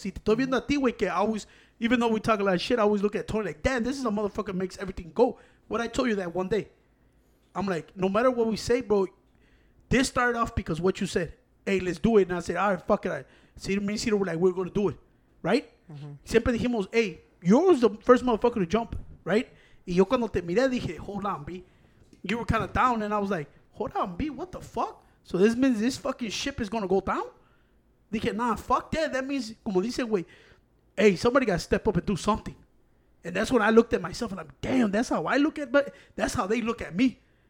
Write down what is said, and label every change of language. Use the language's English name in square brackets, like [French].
[Spanish] Si te estoy viendo a ti, güey, [English] que I always, even though we talk a lot of shit, I always look at Tony like, damn, this is a motherfucker makes everything go. What I told you that one day. I'm like, no matter what we say, bro, this started off because what you said. Hey, let's do it. And I said, all right, fuck it. Right. See, me and Cito were like, we're going to do it. Right? Mm-hmm. [Spanish] Siempre dijimos, [English] hey, you're always the first motherfucker to jump. Right? [Spanish] Y yo cuando te miré dije, hold on, B. [English] You were kind of down. And I was like, hold on, B, what the fuck? So this means this fucking ship is going to go down? Dije, nah, fuck that. That means, [Spanish] como dice, güey, [English] hey, somebody got to step up and do something. And that's when I looked at myself and I'm like, damn, that's how I look at, but that's how they look at me.